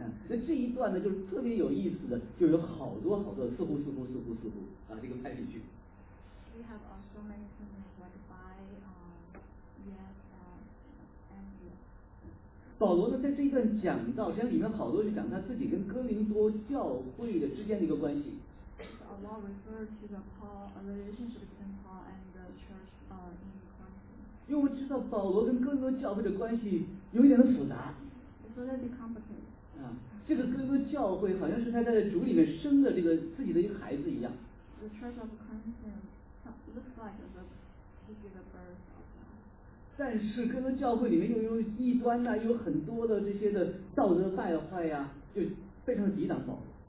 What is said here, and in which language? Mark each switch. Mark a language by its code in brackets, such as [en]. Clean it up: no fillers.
[zh] 那这一段呢就是特别有意思的，就有好多好多似乎似乎似乎似乎啊，这个拍进去。 [en] We have so many things like by, yes, and. [zh] 保罗呢，在这一段讲到，实际上里面好多是讲他自己跟哥林多教会的之间的一个关系。 [en] A lot refer to the Paul relationship between Paul and the church in Corinth. [zh] 因为我们知道保罗跟哥林多教会的关系有一点的复杂。 [en] It's a little bit complicated. [zh] 这个哥林多教会好像是他在主里面生的这个自己的一个孩子一样。 [en] The church of Corinth. Looks like the birth of God. [zh] 但是可能教会里面又有异端呐、啊，有很多的这些的道德败坏呀、啊，就非常抵挡保罗。